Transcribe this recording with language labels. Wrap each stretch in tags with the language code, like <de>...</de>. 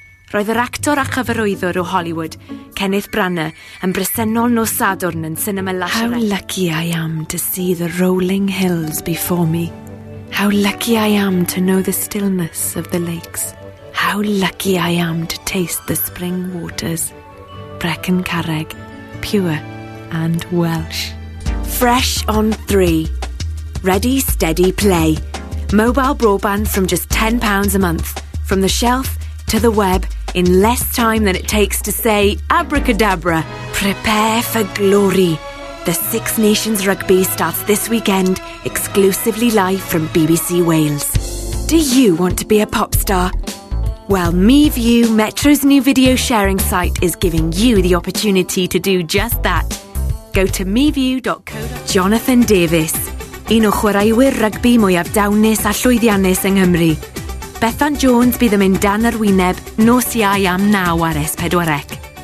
<cy>Roedd yr actor a chyfarwyddwr o Hollywood, Kenneth Branagh, yn bresennol nos Sadwrn yn cinema Lasharet.</cy> <en>How lucky I am to see the rolling hills before me. How lucky I am to know the stillness of the lakes. How lucky I am to taste the spring waters. Brecon Carreg, pure and Welsh. Fresh on three. Ready, steady, play. Mobile broadband from just £10 a month. From the shelf to the web, in less time than it takes to say abracadabra. Prepare for glory. The Six Nations Rugby starts this weekend, exclusively live from BBC Wales. Do you want to be a pop star? Well, MeView, Metro's new video sharing site, is giving you the opportunity to do just that. Go to meview.co.</en> <cy>Jonathan Davis, un o chwaraewyr rugby mwyaf dawnus a llwyddiannus yng Nghymru. Bethan Jones bydd yn mynd dan yr wyneb nos iau am naw ar S4C.</cy>